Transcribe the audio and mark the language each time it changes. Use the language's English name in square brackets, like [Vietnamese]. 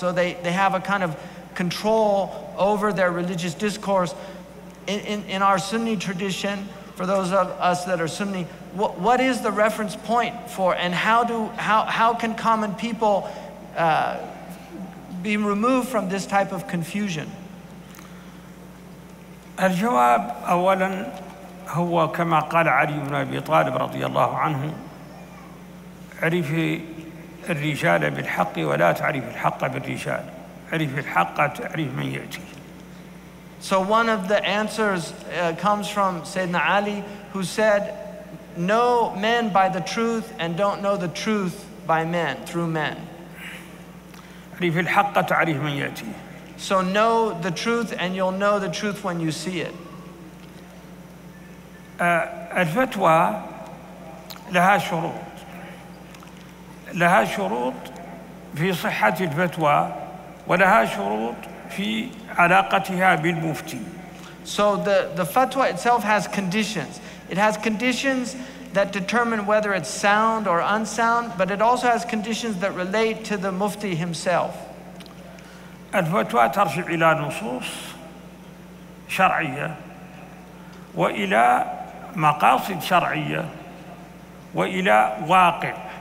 [English] So they have a kind of control over their religious discourse. In our Sunni tradition, for those of us that are Sunni, what is the reference point for, and how can common people be removed from this type of confusion? [Arabic] الجواب أولا هو كما قال علي بن أبي طالب رضي الله عنه عرف الرجال بالحق ولا تعرف الحق بالرجال عرف الحق تعرف من يأتي [English] So one of the answers comes from Sayyidina Ali who said know men by the truth and don't know the truth by men through men [Arabic] عرف الحق تعرف من يأتي [English] So know the truth and you'll know the truth when you see it [Arabic] الفتوى لها شروط لها شروط في صحة الفتوى ولها شروط في علاقتها بالمفتي. [English] So the fatwa itself has conditions. It has conditions that determine whether it's sound or unsound, but it also has conditions that relate to the mufti himself. [Arabic] الفتوى ترجع إلى نصوص شرعية وإلى مقاصد شرعية وإلى واقع.